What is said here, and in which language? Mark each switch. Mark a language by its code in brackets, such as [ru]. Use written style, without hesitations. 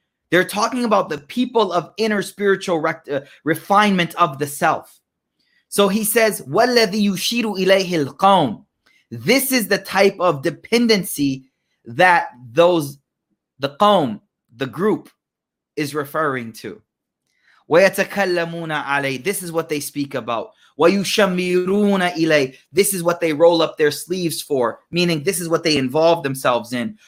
[en] They're talking about the people of inner spiritual refinement of the self. So he says, [ar] وَالَّذِي يُشِيرُ إِلَيْهِ الْقَوْمِ. [en] This is the type of dependency that the qawm, the group, is referring to. [ar] وَيَتَكَلَّمُونَ عَلَيْهِ. [en] This is what they speak about. [ar] وَيُشَمِّرُونَ إِلَيْهِ. [en] This is what they roll up their sleeves for, meaning this is what they involve themselves in.